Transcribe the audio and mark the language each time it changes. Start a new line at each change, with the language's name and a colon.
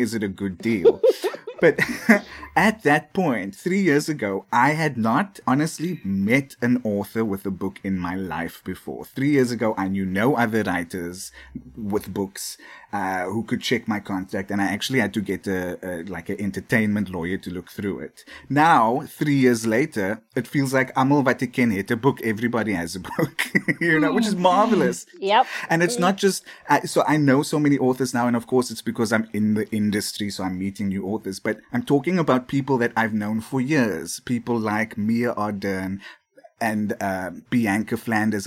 English: Is it a good deal? But at that point, 3 years ago, I had not honestly met an author with a book in my life before. 3 years ago, I knew no other writers with books who could check my contract. And I actually had to get an entertainment lawyer to look through it. Now, 3 years later, it feels like
Afrikaans: amal wat ek ken het 'n boek.
English: Everybody has a book, you know, which is marvelous. Yep. And it's not just, so I know so many authors now. And of course, it's because I'm in the industry, so I'm meeting new authors. But I'm talking about people that I've known for years. People like Mia Ardern and Bianca Flanders.